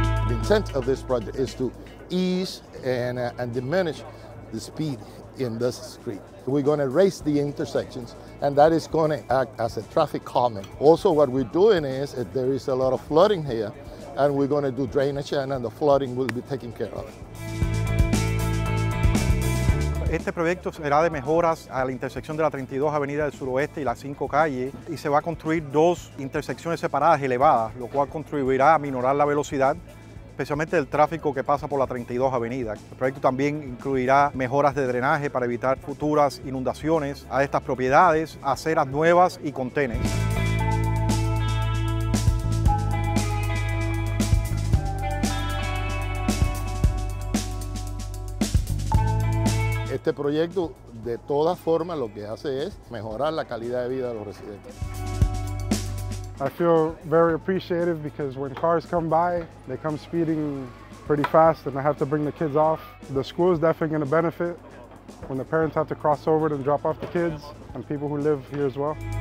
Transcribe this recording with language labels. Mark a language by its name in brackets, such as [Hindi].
[English] intent of this project is to ease and diminish the speed in this street. We're going to raise the intersections, and that is going to act as a traffic calming. Also, what we're doing is that there is a lot of flooding here, and we're going to do drainage, and the flooding will be taken care of. [Spanish] Este proyecto será de mejoras a la intersección de la 32 Avenida del Suroeste y las 5 calles y se va a construir dos intersecciones separadas elevadas, lo cual contribuirá a minorar la velocidad, especialmente el tráfico que pasa por la 32 Avenida. El proyecto también incluirá mejoras de drenaje para evitar futuras inundaciones a estas propiedades, aceras nuevas y contenedores. Este proyecto, de todas formas, lo que hace es mejorar la calidad de vida de los residentes. [English] I feel very appreciative because when cars come by, they come speeding pretty fast and I have to bring the kids off. The school is definitely going to benefit when the parents have to cross over and drop off the kids and people who live here as well.